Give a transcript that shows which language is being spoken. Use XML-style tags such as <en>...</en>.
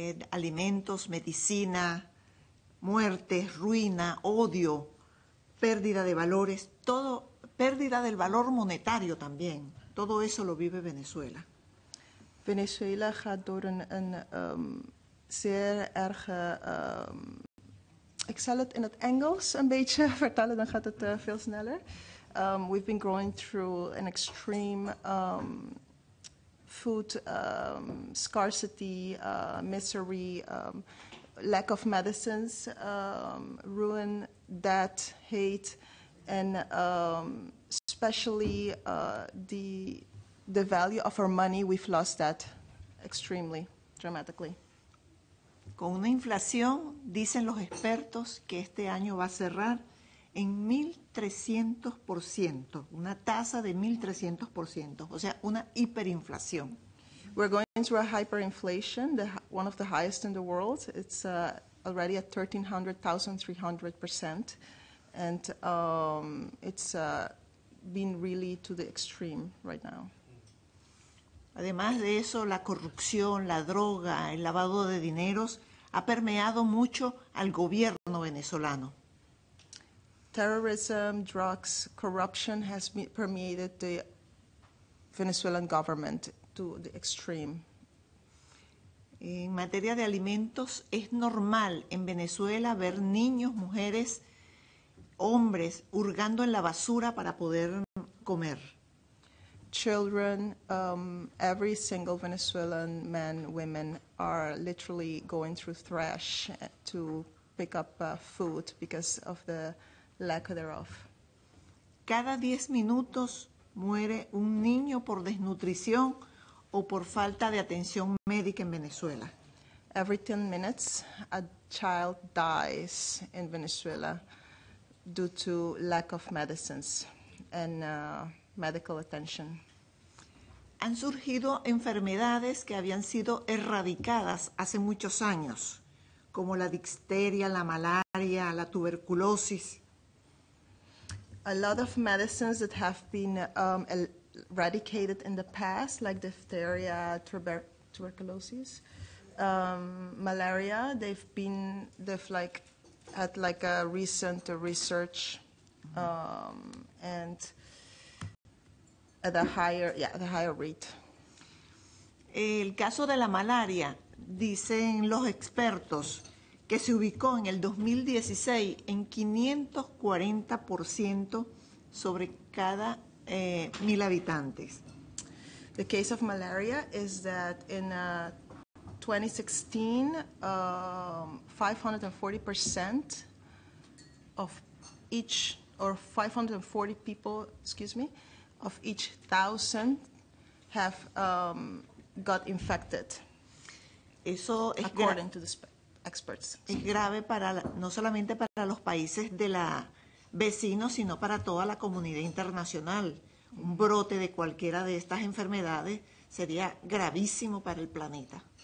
<es>Alimentos, medicina, muerte, ruina, odio, pérdida de valores, todo, pérdida del valor monetario también. Todo eso lo vive Venezuela.</es> <nl>Venezuela gaat door een zeer erge, ik zal het in het Engels een beetje vertellen, dan gaat het veel sneller.</nl> <en>We've been going through an extreme food scarcity, misery, lack of medicines, ruin, debt, hate, and especially the value of our money, we've lost that extremely, dramatically.</en> <es>Con una inflación, dicen los expertos que este año va a cerrar en 1300%, una tasa de 1300%, o sea, una hiperinflación.</es> <en>We're going into a hyperinflation, one of the highest in the world. It's already at 1,300%, and it's been really to the extreme right now.</en> <es>Además de eso, la corrupción, la droga, el lavado de dineros ha permeado mucho al gobierno venezolano.</es> <en>Terrorism, drugs, corruption has permeated the Venezuelan government to the extreme.</en> <es>En materia de alimentos, es normal en Venezuela ver niños, mujeres, hombres hurgando en la basura para poder comer.</es> <en>Children, every single Venezuelan man, women are literally going through trash to pick up food because of the lack thereof.</en> <es>Cada 10 minutos muere un niño por desnutrición o por falta de atención médica en Venezuela.</es> <en>Every 10 minutes, a child dies in Venezuela due to lack of medicines and medical attention.</en> <es>Han surgido enfermedades que habían sido erradicadas hace muchos años, como la difteria, la malaria, la tuberculosis.</es> <en>A lot of medicines that have been eradicated in the past, like diphtheria, tuberculosis, malaria, they've been, had a recent research and at a higher, the higher rate.</en> <es>El caso de la malaria, dicen los expertos, que se ubicó en el 2016 en 540% sobre cada 1,000 habitantes.</es> <en>The case of malaria is that in 2016, 540% of each, or 540 people, excuse me, of each 1,000 have got infected.</en> <es>Eso es</es> <en>according to the experts.</en> <es>Es grave para no solamente para los países de la vecinos, sino para toda la comunidad internacional. Un brote de cualquiera de estas enfermedades sería gravísimo para el planeta.</es>